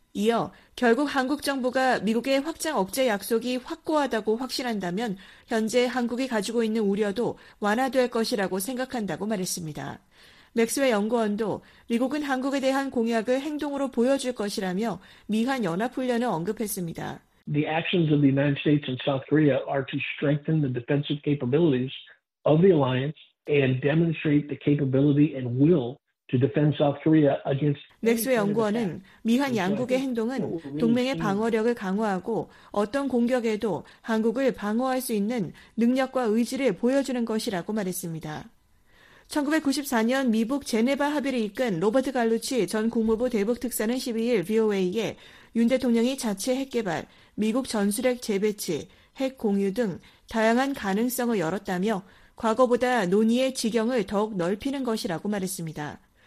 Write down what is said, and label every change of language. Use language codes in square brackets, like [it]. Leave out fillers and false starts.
[ko] 이어 결국 한국 정부가 미국의 확장 억제 약속이 확고하다고 확신한다면 현재 한국이 가지고 있는 우려도 완화될 것이라고 생각한다고 말했습니다. 맥스웰 연구원도 미국은 한국에 대한 공약을 행동으로 보여줄 것이라며 미한 연합훈련을 언급했습니다. [en] The actions of the United States and South Korea are to strengthen the defensive capabilities of the alliance and demonstrate the capability and will to defend South Korea against. [ko] 맥스웰 연구원은 미한 양국의 행동은 동맹의 방어력을 강화하고 어떤 공격에도 한국을 방어할 수 있는 능력과 의지를 보여주는 것이라고 말했습니다. 1994년 미북 제네바 합의를 이끈 로버트 갈루치 전 국무부 대북특사는 12일 VOA에 윤 대통령이 자체 핵개발, 미국 전술핵 재배치, 핵 공유 등 다양한 가능성을 열었다며 과거보다 논의의 지경을 더욱 넓히는 것이라고 말했습니다.